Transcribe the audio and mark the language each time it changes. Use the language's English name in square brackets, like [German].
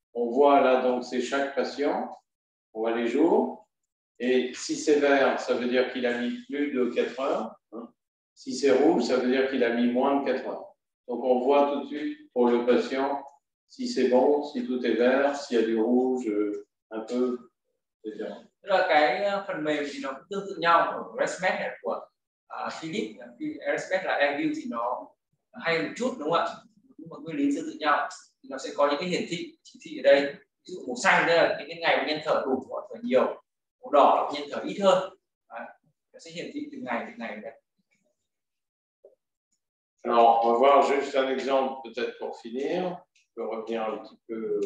[French] On voit là, donc c'est chaque patient, on voit les jours, et si c'est vert, ça veut dire qu'il a mis plus de 4 heures, si c'est rouge, ça veut dire qu'il a mis moins de 4 heures. Donc on voit tout de suite pour le patient, si c'est bon, si tout est vert, s'il y a du rouge, un peu, etc. [Vietnamese] rồi cái phần mềm thì nó cũng tương tự nhau của ResMed này của Philips, ResMed là AirView thì nó hay một chút đúng không ạ? Nhưng mà nguyên lý tương tự nhau, thì nó sẽ có những cái hiển thị chỉ thị ở đây, ví dụ màu xanh đây là những cái ngày bệnh nhân thở đủ hoặc thở nhiều, màu đỏ là bệnh nhân thở ít hơn, nó sẽ hiển thị từng ngày đấy. [French] Alors, on va voir juste un exemple peut-être pour finir. On peut revenir un petit peu.